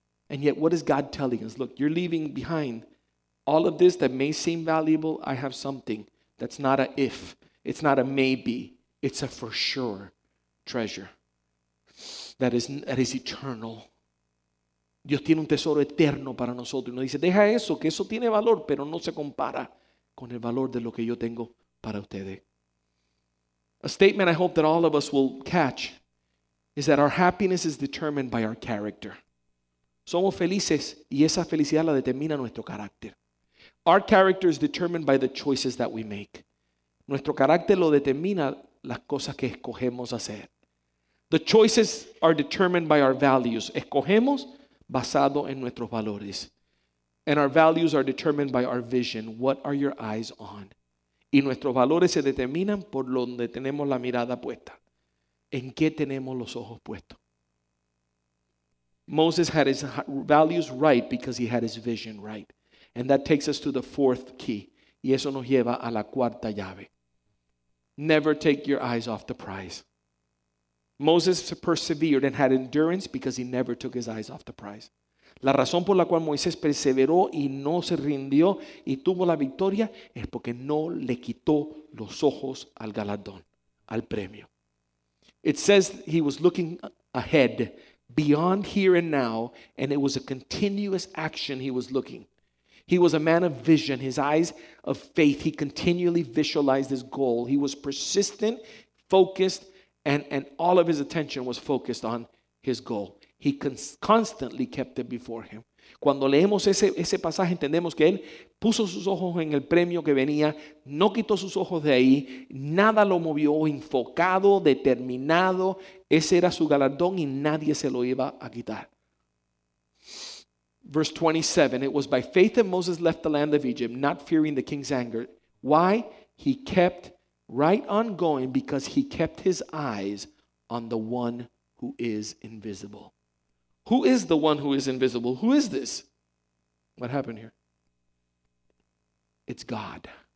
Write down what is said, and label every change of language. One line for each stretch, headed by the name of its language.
English: And yet, what is God telling us? Look, you're leaving behind all of this that may seem valuable. I have something that's not a if. It's not a maybe. It's a for sure treasure that is eternal.
Spanish: Dios tiene un tesoro eterno para nosotros. Nos dice, deja eso, que eso tiene valor, pero no se compara con el valor de lo que yo tengo para ustedes.
English: A statement I hope that all of us will catch is that our happiness is determined by our character.
Spanish: Somos felices y esa felicidad la determina nuestro carácter.
English: Our character is determined by the choices that we make.
Spanish: Nuestro carácter lo determina las cosas que escogemos hacer.
English: The choices are determined by our values.
Spanish: Escogemos basado en nuestros valores.
English: And our values are determined by our vision. What are your eyes on?
Spanish: Y nuestros valores se determinan por donde tenemos la mirada puesta. ¿En qué tenemos los ojos puestos?
English: Moses had his values right because he had his vision right. And that takes us to the fourth key.
Spanish: Y eso nos lleva a la cuarta llave.
English: Never take your eyes off the prize. Moses persevered and had endurance because he never took his eyes off the prize.
Spanish: La razón por la cual Moisés perseveró y no se rindió y tuvo la victoria es porque no le quitó los ojos al galardón, al premio.
English: It says he was looking ahead, beyond here and now, and it was a continuous action he was looking. He was a man of vision, his eyes of faith. He continually visualized his goal. He was persistent, focused, and all of his attention was focused on his goal. He constantly kept it before him.
Spanish: Cuando leemos ese pasaje, entendemos que él puso sus ojos en el premio que venía, no quitó sus ojos de ahí, nada lo movió, enfocado, determinado. Ese era su galardón y nadie se lo iba a quitar.
English: Verse 27, it was by faith that Moses left the land of Egypt, not fearing the king's anger. Why? He kept right on going because he kept his eyes on the one who is invisible. Who is the one who is invisible? Who is this? What happened here? It's God.